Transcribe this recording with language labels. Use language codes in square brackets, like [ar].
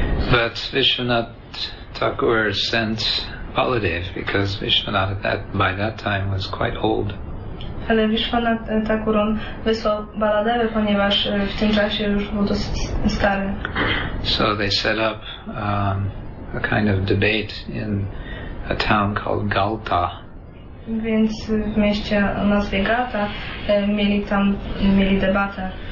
[en] But Vishwanath Thakur sent Baladev, because Vishwanath by that time was quite old. [pl] Ale Vishwanath Thakur wysłał Baladeva, ponieważ w tym czasie już był dosyć stary. [en] So they set up a kind of debate in a town called Galta. [pl] Więc w mieście o nazwie Galta mieli debatę.